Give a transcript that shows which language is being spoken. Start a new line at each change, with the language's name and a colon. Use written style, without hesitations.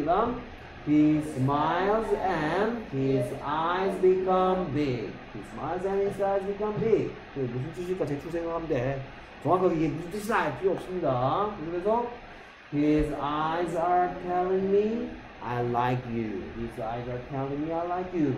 Korean: 그 다음
English: He smiles and his eyes become big. He smiles and his eyes become big.
Korean: 그게 무슨 뜻일까 대충 생각하면 돼. 정확하게 이게 무슨 뜻인지 알 필요 없습니다.
English: 그래서 His eyes are telling me I like you. His eyes are telling me I like you.